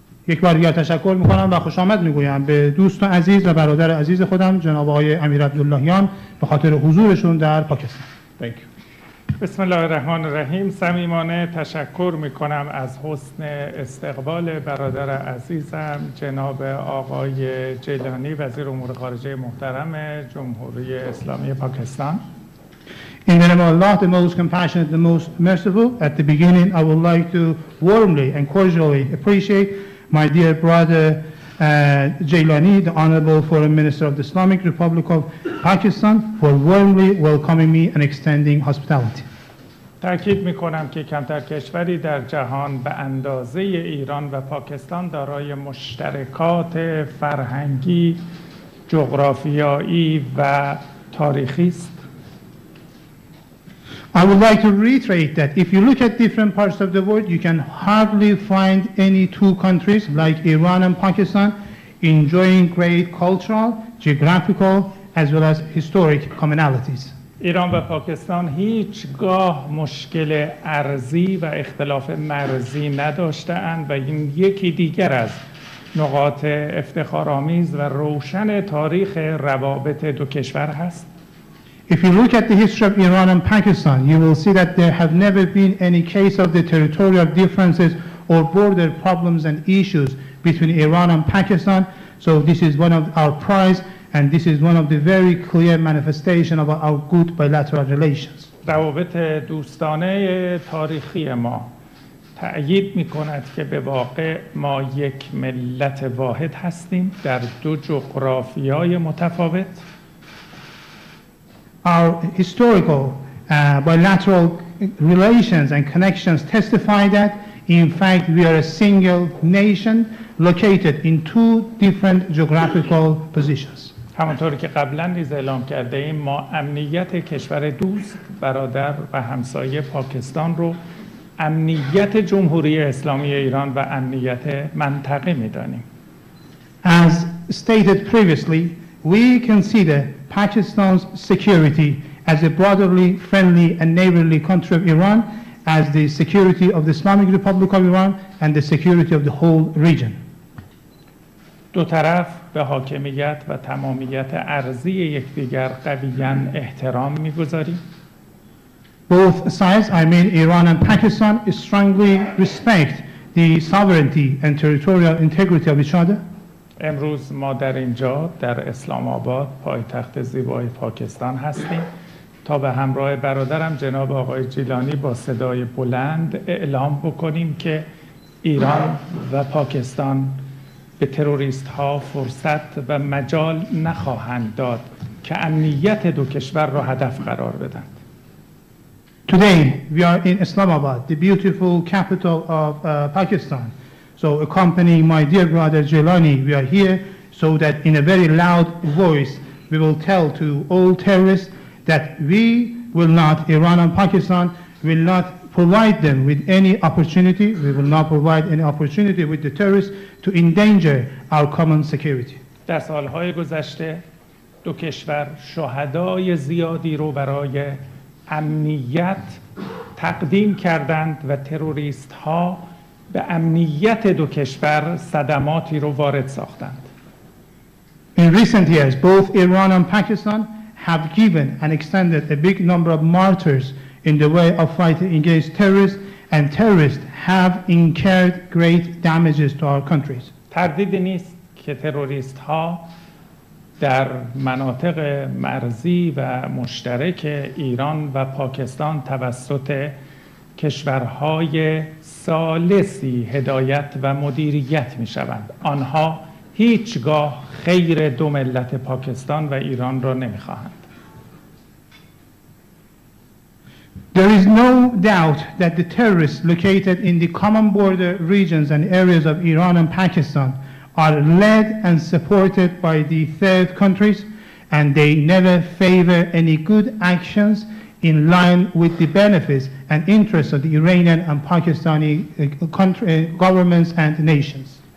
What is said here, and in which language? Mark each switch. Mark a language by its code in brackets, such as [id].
[fa] یک بار دیگر تشکر میکنم و خوش آمد میگویم به دوست عزیز و برادر عزیز خودم جناب آقای امیر عبداللهیان به خاطر حضورشون در پاکستان. [en] Thank you. [ar] بسم الله الرحمن الرحیم. [fa] صمیمانه تشکر میکنم از حسن استقبال برادر عزیزم جناب آقای جیلانی وزیر امور خارجه محترم جمهوری اسلامی پاکستان. [en] In the name of Allah, the most compassionate, the most merciful, at the beginning I would like to warmly and cordially appreciate my dear brother Jilani, the Honorable Foreign Minister of the Islamic Republic of Pakistan, for warmly welcoming me and extending hospitality. [fa] تأکید میکنم که کمتر کشوری در جهان به اندازه ایران و پاکستان دارای مشترکات فرهنگی، جغرافیایی و تاریخی است. [en] I would like to reiterate that if you look at different parts of the world, you can hardly find any two countries like Iran and Pakistan enjoying great cultural, geographical, as well as historic commonalities. [fa] Iran و پاکستان هیچگاه مشکل ارضی و اختلاف مرزی نداشته‌اند و این یکی دیگر از نقاط افتخارآمیز و روشن تاریخ روابط دو کشور هست. [en] If you look at the history of Iran and Pakistan, you will see that there have never been any case of the territorial differences or border problems and issues between Iran and Pakistan. So this is one of our prize, and this is one of the very clear manifestation of our good bilateral relations. [fa] روابط دوستانه تاریخی ما تأیید می‌کند که به واقع ما یک ملت واحد هستیم در دو جغرافیای متفاوت. [en] Our historical bilateral relations and connections testify that, in fact, we are a single nation located in two different geographical positions. [fa] همانطور که قبلاً نیز اعلام کرده ایم، ما امنیت کشور دوست، برادر و همسایه پاکستان رو امنیت جمهوری اسلامی ایران و امنیت منطقه می‌دانیم. [en] As stated previously, we consider Pakistan's security as a brotherly, friendly, and neighborly country of Iran, as the security of the Islamic Republic of Iran, and the security of the whole region. [fa] دو طرف به حاکمیت و تمامیت ارضی یکدیگر قویاً احترام می‌گذاریم. [en] Both sides, I mean Iran and Pakistan, strongly respect the sovereignty and territorial integrity of each other. [fa] امروز ما در اینجا در اسلام آباد پایتخت زیبای پاکستان هستیم تا به همراه برادرم جناب آقای جیلانی با صدای بلند اعلام بکنیم که ایران و پاکستان به تروریست ها فرصت و مجال نخواهند داد که امنیت دو کشور را هدف قرار بدند. [en] Today we are in Islamabad, the beautiful capital of Pakistan. So accompanying my dear brother Jilani, we are here so that in a very loud voice we will tell to all terrorists that we will not, Iran and Pakistan, will not provide them with any opportunity, we will not provide any opportunity with the terrorists to endanger our common security. [fa] در سالهای گذشته دو کشور شهدای زیادی رو برای امنیت تقدیم کردند و تروریست ها به امنیت دو کشور صدماتی رو وارد ساختند. [en] In recent years, both Iran and Pakistan have given and extended a big number of martyrs in the way of fighting against terrorists, and terrorists have incurred great damages to our countries. [fa] تردیدی نیست که تروریست ها در مناطق مرزی و مشترک ایران و پاکستان توسط کشورهای ثالثی هدایت و مدیریت می شوند. آنها هیچگاه خیر دو ملت پاکستان و ایران را نمی خواهند. [en] There is no doubt that the terrorists located in the common border regions and areas of Iran and Pakistan are led and supported by the third countries, and they never favor any good actions in line with the benefits and interests of the Iranian and Pakistani country, governments and nations.